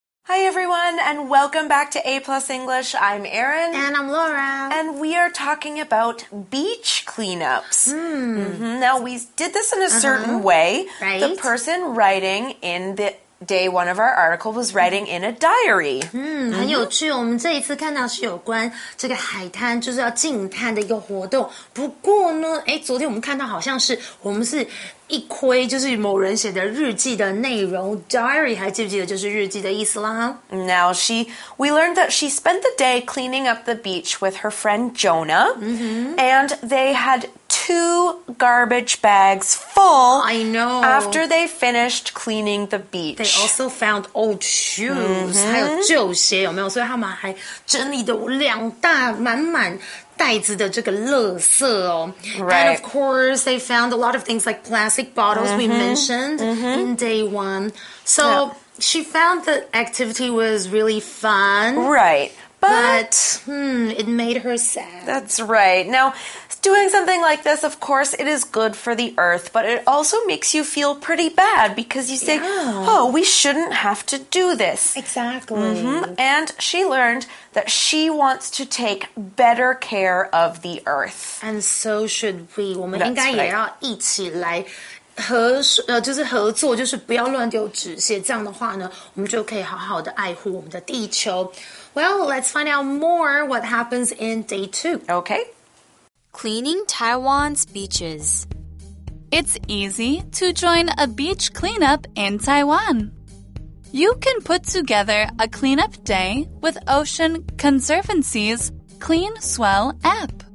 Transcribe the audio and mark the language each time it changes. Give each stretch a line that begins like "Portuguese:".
English: Hi everyone, and welcome back to A Plus English. I'm Erin, And I'm Laura. and we are talking about beach cleanups. Now we did this in a certain way. The person writing in the day one of our article was writing in a diary.
Chinese: 很有趣，我们这一次看到是有关这个海滩，就是要净滩的一个活动。不过呢，昨天我们看到好像是我们是一窥，就是某人写的日记的内容。 Diary 还记不记得就是日记的意思啦？
English: Now she, we learned that she spent the day cleaning up the beach with her friend Jonah, and they had two garbage bags full. I know. After they finished cleaning the beach, they also found old shoes,
Chinese: 还有旧鞋，有没有？所以他们还整理的两大满满袋子的这个垃圾哦。
English: Right. And of course, they found a lot of things like plastic bottles we mentioned in day one. So she found the activity was really fun. Right. But it made her sad. That's right. Now, doing something like this, of course, it is good for the earth, but it also makes you feel pretty bad because you say, oh, we shouldn't have to do this. Exactly. And she learned that she wants to take better care of the earth. And so should we.
Chinese: 我们应该也要一起来就是合作，就是不要乱丢纸屑。这样的话呢，我们就可以好好的爱护我们的地球。
English: Well, let's find out more what happens in day two. Okay. Cleaning Taiwan's beaches. It's easy to join a beach cleanup in Taiwan. You can put together a cleanup day with Ocean Conservancy's Clean Swell app.